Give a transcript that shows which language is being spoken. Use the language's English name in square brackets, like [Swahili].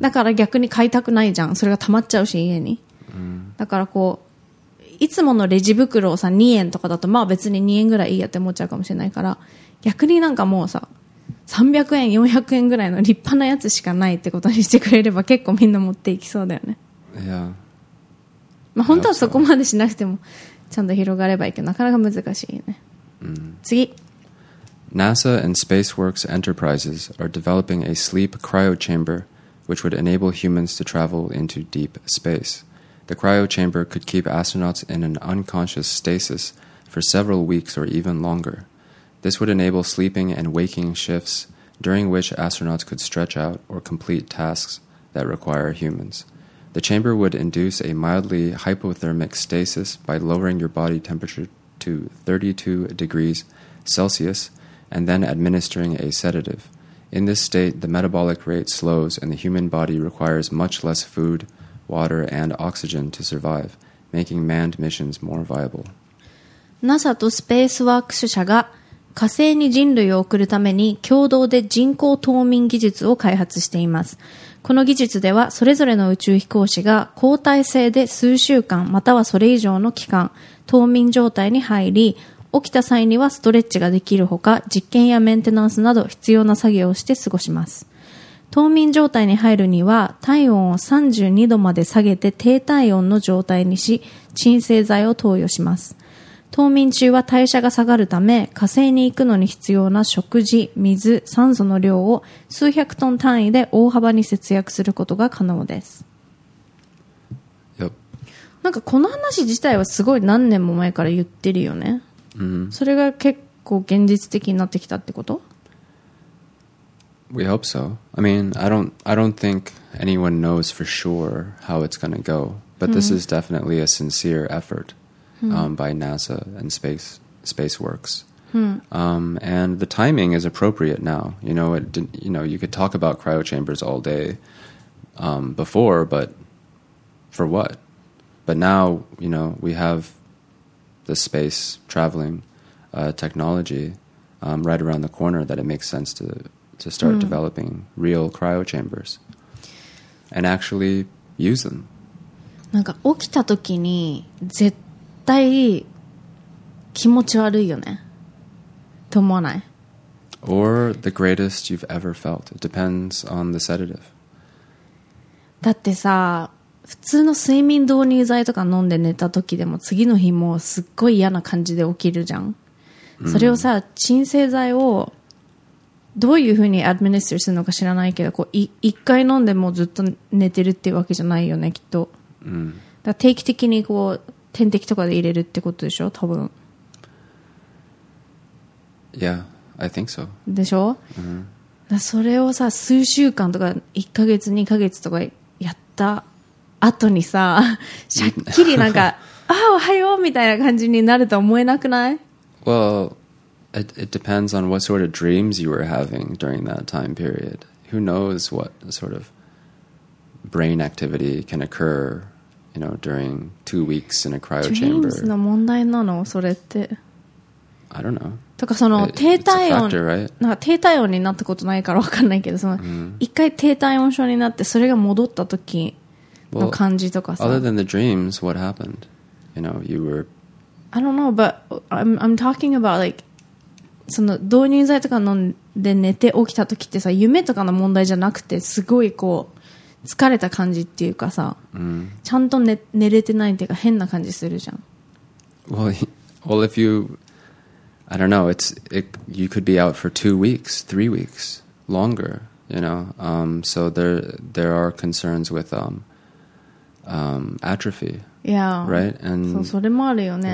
[Japanese] だから逆に買いたくないじゃん。それが溜まっちゃうし、家に。だからこう、いつものレジ袋をさ、2円とかだと、まあ別に2円ぐらいいいやって思っちゃうかもしれないから、逆になんかもうさ、300円、400円ぐらいの立派なやつしかないってことにしてくれれば、結構みんな持っていきそうだよね。いや。まあ、本当はそこまでしなくてもちゃんと広がればいいけど、なかなか難しいね。次。 [English] NASA and SpaceWorks Enterprises are developing a sleep cryo chamber which would enable humans to travel into deep space. The cryo chamber could keep astronauts in an unconscious stasis for several weeks or even longer. This would enable sleeping and waking shifts during which astronauts could stretch out or complete tasks that require humans. The chamber would induce a mildly hypothermic stasis by lowering your body temperature to 32 degrees Celsius and then administering a sedative. In this state, the metabolic rate slows and the human body requires much less food, water, and oxygen to survive, making manned missions more viable. [Japanese] NASA とスペースワーク社が火星に人類を送るために共同で人工冬眠技術を開発しています。この技術では、それぞれの宇宙飛行士が交代制で数週間またはそれ以上の期間、冬眠状態に入り、起きた際にはストレッチができるほか、実験やメンテナンスなど必要な作業をして過ごします。冬眠状態に入るには、体温を32度まで下げて低体温の状態にし、鎮静剤を投与します。冬眠中は代謝が下がるため、火星に行くのに必要な食事、水、酸素の量を数百トン単位で大幅に節約することが可能です。 [English] Yep. [Japanese] なんかこの話自体はすごい何年も前から言ってるよね。 Mm-hmm. それが結構現実的になってきたってこと？ [English] We hope so. I mean, I don't think anyone knows for sure how it's going to go. But this is definitely a sincere effort. By NASA and SpaceWorks. And the timing is appropriate now. You know, it didn't, you know, you could talk about cryo chambers all day before, but for what? But now, you know, we have the space traveling technology right around the corner that it makes sense to start developing real cryo chambers and actually use them. [Japanese] なんか起きた時に絶対絶対気持ち悪いよねと思わない [English] Or the greatest you've ever felt. It depends on the sedative. [Japanese] だってさ普通の睡眠導入剤とか飲んで寝た時でも次の日もすっごい嫌な感じで起きるじゃん、それをさ鎮静剤をどういうふうにアドミニストするのか知らないけどこう一回飲んでもずっと寝てるっていうわけじゃないよねきっと、だから定期的にこう点滴とかで入れるってことでしょ多分 [English] Yeah, I think so [Japanese] でしょ、 mm-hmm. だそれをさ数週間とか1ヶ月2ヶ月とかやった後にさしゃっきりなんかあおはようみたいな感じになると思えなくない [English] Well, it depends on what sort of dreams you were having during that time period. Who knows what sort of brain activity can occurYou know, during 2 weeks in a cryo chamber. [Japanese] Dreams の問題なの？それって。 [English] I don't know. [Japanese] とかその低体温、 [English] factor, right? [Japanese] なんか低体温になったことないからわかんないけど、その一回低体温症になってそれが戻った時の感じとかさ。 [English] Well, other than the dreams, what happened? You know, you were. I don't know, but I'm talking about like [Japanese] その導入剤とか飲んで寝て起きた時ってさ、夢とかの問題じゃなくてすごいこう疲れた感じっていうかさ、うん、ちゃんと 寝れてないっていうか変な感じするじゃん。 [English] Well if you I don't know you could be out for 2 weeks 3 weeks longer, you know, so there are concerns with atrophy. Yeah. Right? And [Japanese] それもあるよね。